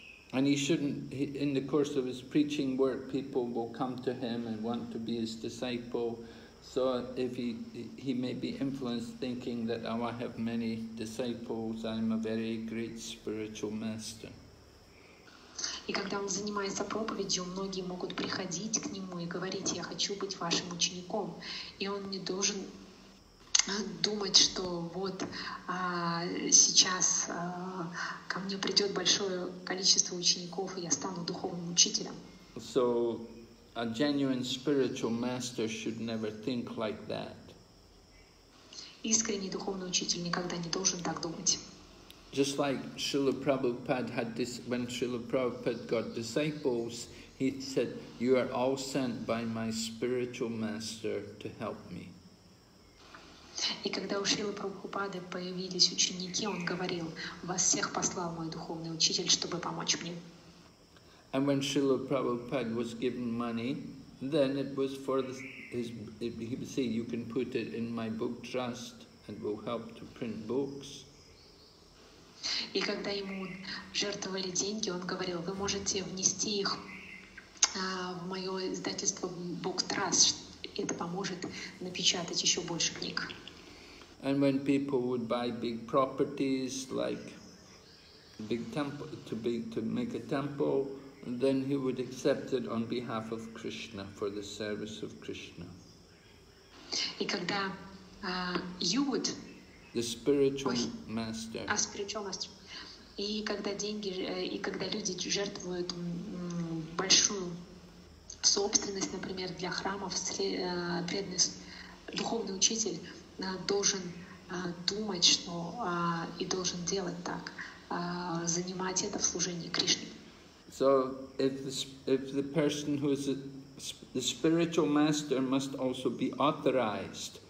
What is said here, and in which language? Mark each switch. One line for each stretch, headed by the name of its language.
English: And he shouldn't, in the course of his preaching work, people will come to him and want to be his disciple. So if he may be influenced thinking that, oh, I have many disciples, I'm a very great spiritual master.
Russian: И когда он занимается проповедью, многие могут приходить к нему и говорить, я хочу быть вашим учеником. И он не должен думать, что вот сейчас ко мне придет большое количество учеников, и я стану духовным учителем.
English: So, a genuine spiritual master should never think like that.
Russian: Искренний духовный учитель никогда не должен так думать.
English: Just like Srila Prabhupada had this, when Srila Prabhupada got disciples, he said, you are all sent by my spiritual master to help me.
Russian: И когда у Шрилы Прабхупады появились ученики, он говорил, вас всех послал мой духовный учитель, чтобы помочь мне.
English: And when Srila Prabhupada was given money, then it was for the, his, he would say, you can put it in my book trust and will help to print books.
Russian: И когда ему жертвовали деньги, он говорил, вы можете внести их в мое издательство Book Trust, это поможет напечатать еще больше книг.
English: And when people would buy big properties, like big temple, to make a temple, then he would accept it on behalf of Krishna, for the service of Krishna.
Russian: И когда
English: you would... The spiritual master. А spiritual master.
Russian: И когда деньги, и когда люди жертвуют большую собственность, например, для храмов, преданный духовный учитель должен думать, что и должен делать так, занимать это в служении Кришне.
English: So if the person who is the spiritual master must also be authorized.